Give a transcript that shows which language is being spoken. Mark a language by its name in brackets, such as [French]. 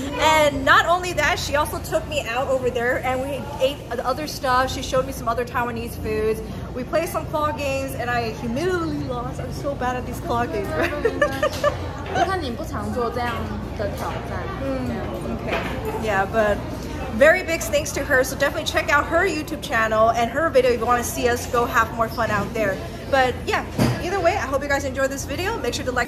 [English] And not only that, she also took me out over there and we ate other stuff. She showed me some other Taiwanese foods. We played some claw games and I humiliately lost. I'm so bad at these claw games. [Chinese] 我看你不常做这样的挑战。 [English] 嗯 ，Okay. Yeah, but. Very big thanks to her, so definitely check out her YouTube channel and her video if you want to see us go have more fun out there. But yeah, either way, I hope you guys enjoyed this video. Make sure to like